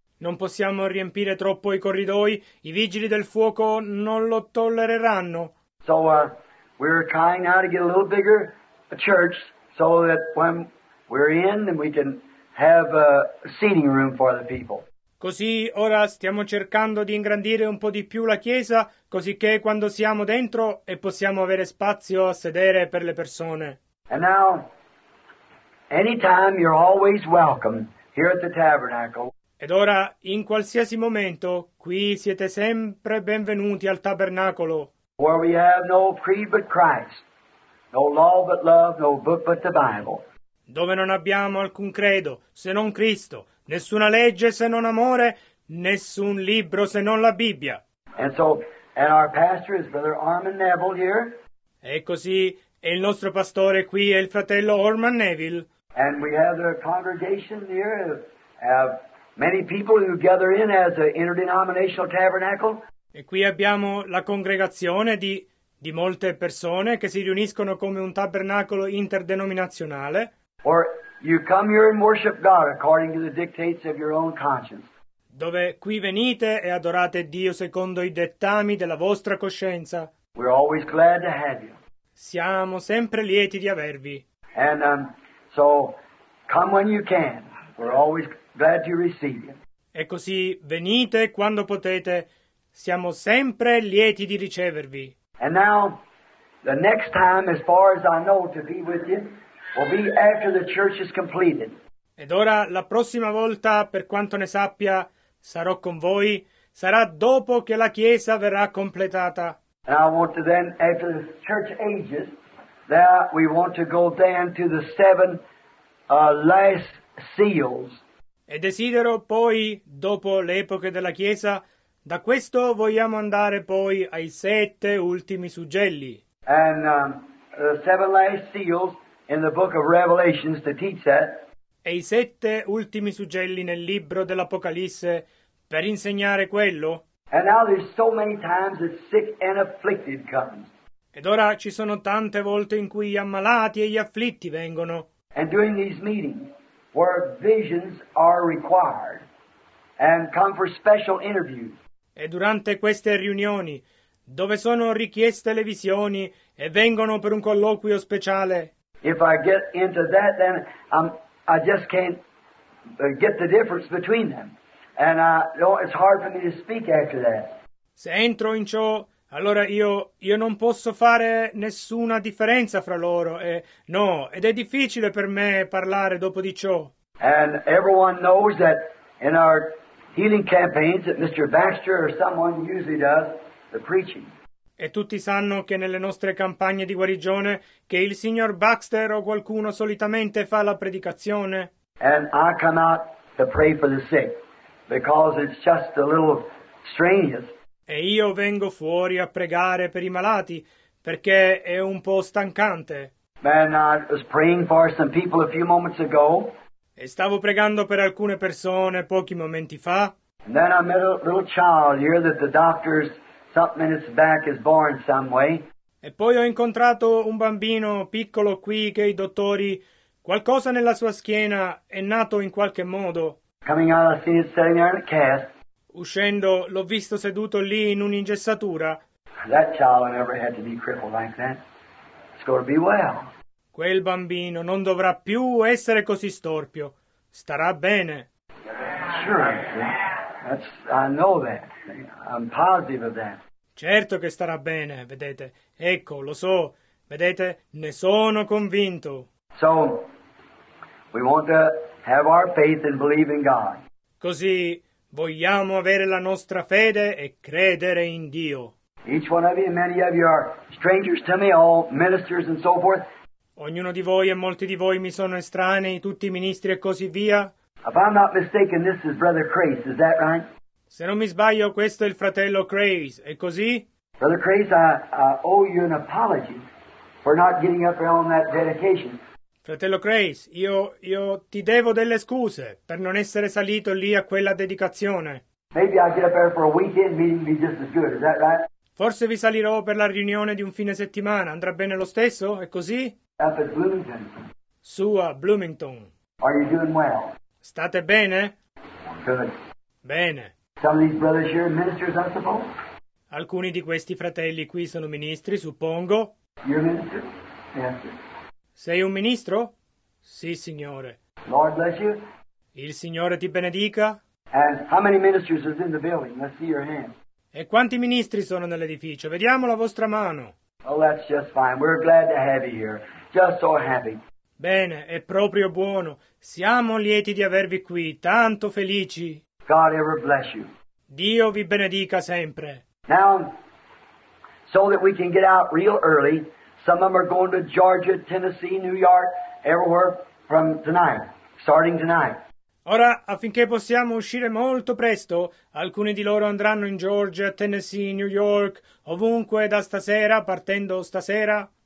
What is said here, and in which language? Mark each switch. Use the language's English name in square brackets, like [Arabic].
[Italian] Non possiamo riempire troppo i corridoi, i vigili del fuoco non lo tollereranno. [English] So We're trying now to get a little bigger a church so that when we're in, then we can have a seating room for the people. [Italian] Così ora stiamo cercando di ingrandire un po' di più la chiesa, così che quando siamo dentro e possiamo avere spazio a sedere per le persone. [English] And now, anytime you're always welcome here at the tabernacle. [Italian] Ed ora, in qualsiasi momento, qui siete sempre benvenuti al tabernacolo. [English] Where we have no creed but Christ, no law but love, no book but the Bible. [Italian] Dove non abbiamo alcun credo se non Cristo, nessuna legge se non amore, nessun libro se non la Bibbia. [English] And so, and our pastor is Brother Armand Neville here. [Italian] E così, e il nostro pastore qui è il fratello Armand Neville. [English] And we have the congregation here, have many people who gather in as an interdenominational tabernacle. [Italian] E qui abbiamo la congregazione di molte persone che si riuniscono come un tabernacolo interdenominazionale. [English] Or you come here and worship God according to the dictates of your own conscience. [Italian] Dove qui venite e adorate Dio secondo i dettami della vostra coscienza. [English] We're always glad to have you. [Italian] Siamo sempre lieti di avervi. [English] And so come when you can. We're always glad to receive you. [Italian] E così venite quando potete. Siamo sempre lieti di ricevervi. [English] And now the next time, as far as I know, to be with you will be after the church is completed. [Italian] Ed ora la prossima volta, per quanto ne sappia, sarò con voi, sarà dopo che la chiesa verrà completata. [English] And I want to then, after the church ages, that we want to go then to the seven last seals. [Italian] E desidero poi, dopo le epoche della chiesa, da questo vogliamo andare poi ai sette ultimi suggelli. [English] And the seven last seals in the book of Revelations to teach that. [Italian] E i sette ultimi suggelli nel libro dell'Apocalisse per insegnare quello. [English] And now there's so many times that sick and afflicted comes. [Italian] Ed ora ci sono tante volte in cui gli ammalati e gli afflitti vengono. [English] And during these meetings where visions are required and come for special interviews. [Italian] E durante queste riunioni dove sono richieste le visioni e vengono per un colloquio speciale. [English] If I get into that, then I just can't get the difference between them. And it's hard for me to speak after that. [Italian] Se entro in ciò, allora io non posso fare nessuna differenza fra loro. Ed è difficile per me parlare dopo di ciò. [English] And everyone knows that in our healing campaigns that Mr. Baxter or someone usually does the preaching. [Italian] E tutti sanno che nelle nostre campagne di guarigione che il signor Baxter o qualcuno solitamente fa la predicazione. [English] And I cannot pray for the sick because it's just a little strenuous. [Italian] E io vengo fuori a pregare per i malati perché è un po' stancante. [English] And I was praying for some people a few moments ago. [Italian] E stavo pregando per alcune persone pochi momenti fa. [English] And then I met a little child here that the doctors. Something in its back is born some way. [Italian] E poi ho incontrato un bambino piccolo qui che i dottori qualcosa nella sua schiena è nato in qualche modo. [English] Coming out, I seen it sitting there in a cast. [Italian] Uscendo, l'ho visto seduto lì in un'ingessatura. [English] That child never had to be crippled like that. It's going to be well. [Italian] Quel bambino non dovrà più essere così storpio. Starà bene. [English] Sure. I know that. I'm positive of that. [Italian] Certo che starà bene, vedete. Ecco, lo so. Vedete, ne sono convinto. [English] So, we want to have our faith and believe in God. [Italian] Così, vogliamo avere la nostra fede e credere in Dio. [English] Each one of you, many of you are strangers to me, all ministers and so forth. [Italian] Ognuno di voi e molti di voi mi sono estranei, tutti i ministri e così via. [English] If I'm not mistaken, this is Brother Crace, is that right? [Italian] Se non mi sbaglio, questo è il fratello Craze, è così? [English] Brother Craze, I owe you an apology for not getting up on that dedication. [Italian] Fratello Craze, io ti devo delle scuse per non essere salito lì a quella dedicazione. [English] Maybe I'll get up there for a weekend meeting be just as good, is that right? [Italian] Forse vi salirò per la riunione di un fine settimana, andrà bene lo stesso, è così? [English] Up at Bloomington. [Italian] Su a Bloomington. [English] Are you doing well? [Italian] State bene? [English] Good. [Italian] Bene. [English] Some of these brothers here are ministers, I suppose. [Italian] Alcuni di questi fratelli qui sono ministri, suppongo. [English] You're a minister? Answer. [Italian] Sei un ministro? Sì, signore. [English] Lord bless you. [Italian] Il Signore ti benedica. [English] And how many ministers is in the building? Let's see your hand. [Italian] E quanti ministri sono nell'edificio? Vediamo la vostra mano. [English] Oh, that's just fine. We're glad to have you here. Just so happy. [Italian] Bene, è proprio buono. Siamo lieti di avervi qui, tanto felici. [English] God ever bless you. [Italian] Dio vi benedica sempre. [English] Now, so that we can get out real early, some of them are going to Georgia, Tennessee, New York, everywhere from tonight, starting tonight. [Italian] Ora, affinché possiamo uscire molto presto, alcuni di loro andranno in Georgia, Tennessee, New York, ovunque da stasera, partendo stasera.